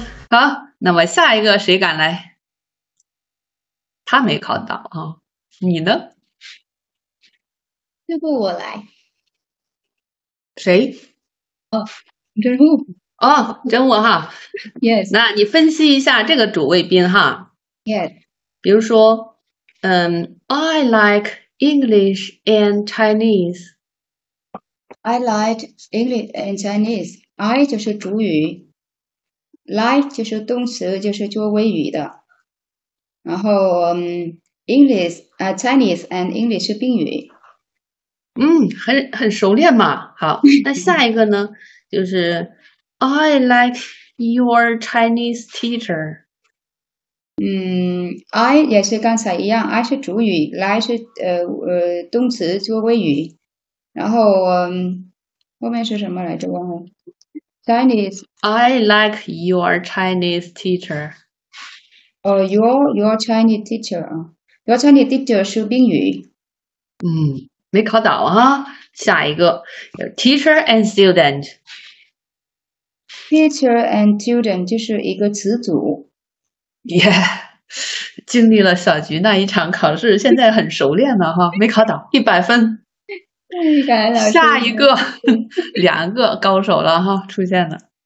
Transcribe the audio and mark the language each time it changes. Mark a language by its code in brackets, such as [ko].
[zh] 好，那么下一个谁敢来？他没考倒啊，你呢？这不我来。谁？哦，真不。哦，真我哈 [en] ，yes。 [zh] 那你分析一下这个主谓宾哈 [en] ，yes。 [zh] 比如说， [en] I like English and Chinese。 I like English and Chinese。 [zh] I 就是主语 ，like 就是动词，就是做谓语的。然后，English 啊 ，Chinese and English 是宾语。嗯，很熟练嘛。好，那下一个呢，就是。 [en] I like your Chinese teacher. [zh] I 也是刚才一样 ，I 是主语 ，like 是动词做谓语，然后后面是什么来着？忘了。Chinese. [en] I like your Chinese teacher. Your Chinese teacher. Your Chinese teacher [zh] 是宾语。嗯，没考倒哈。下一个 [en] ，teacher and student. Teacher and student [zh] 就是一个词组。 Yeah， 经历了小菊那一场考试，现在很熟练了哈，没考倒，100分。感谢老师。下一个，两个高手了哈，出现了。